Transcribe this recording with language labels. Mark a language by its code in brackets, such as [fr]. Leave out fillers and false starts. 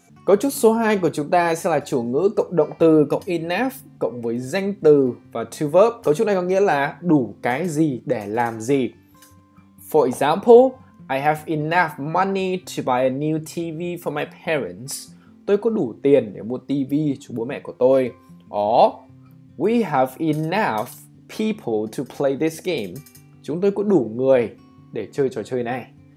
[vi] Cấu trúc số 2 của chúng ta sẽ là chủ ngữ cộng động từ cộng enough cộng với danh từ và to verb. Cấu trúc này có nghĩa là đủ cái gì để làm gì. [en] For example, I have enough money to buy a new TV for my parents. [vi] Tôi có đủ tiền để mua TV cho bố mẹ của tôi. [en] Or, we have enough people to play this game. [vi] Chúng tôi có đủ người để chơi trò chơi này.